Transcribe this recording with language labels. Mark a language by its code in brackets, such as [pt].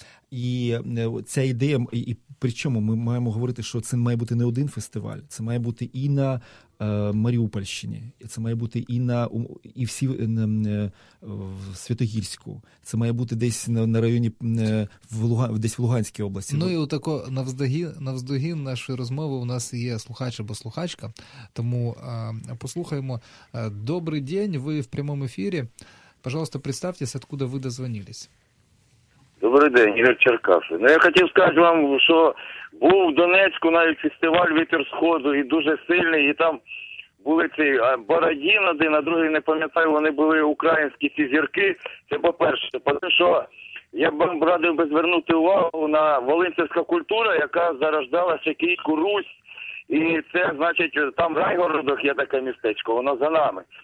[uk] І ця ідея, і причому ми маємо говорити, що це має бути не один фестиваль, це має бути і на Маріупольщині, це має бути і на і всі в Святогірську, це має бути десь на районі десь в Луганській області. Ну і отако навздогін нашої розмови у нас є слухач або слухачка, тому послухаємо. Добрий день, ви в прямому ефірі. [ru] Пожалуйста, представтеся, откуда ви дозвонились. [uk] Добрий день, Ігор Черкаси. Ну, я хотів сказати вам, що був в Донецьку навіть фестиваль «Вітер Сходу», і дуже сильний, і там були ці Бородін один, а другий, не пам'ятаю, вони були українські ці зірки. Це по-перше. По-друге, я б вам радив би звернути увагу на волинцевська культура, яка зарождалася Київську Русь, і це, значить, там в Райгородах є таке містечко, воно за нами.